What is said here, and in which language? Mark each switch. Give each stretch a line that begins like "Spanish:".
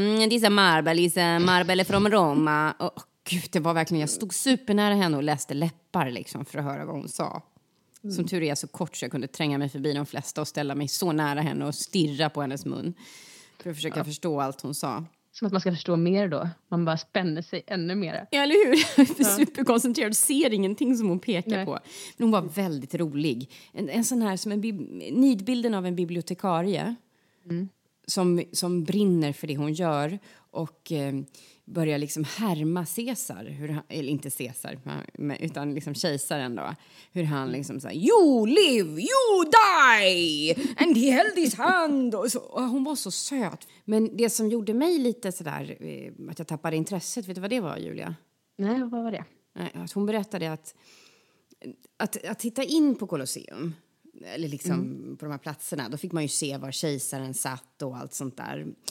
English: These marble is marble from Roma.
Swedish: Gud, det var verkligen, jag stod supernära henne och läste läppar liksom för att höra vad hon sa. Som tur är jag så kort så jag kunde tränga mig förbi de flesta och ställa mig så nära henne och stirra på hennes mun. För att försöka förstå allt hon sa. Som att man ska förstå mer då. Man bara spänner sig ännu mer. Ja, eller hur? Jag är superkoncentrerad och ser ingenting som hon pekar på. Men hon var väldigt rolig. En sån här som en nidbilden av en bibliotekarie. Som brinner för det hon gör. Och börja liksom härma Caesar, eller inte Caesar, utan liksom kejsaren då. Hur han liksom såhär,
English: you live, you die, and he held his hand.
Swedish: Och hon var så söt. Men det som gjorde mig lite sådär, att jag tappade intresset, vet du vad det var, Julia? Nej, vad var det? Att hon berättade att titta in på Colosseum, eller liksom på de här platserna, då fick man ju se var kejsaren satt och allt sånt där.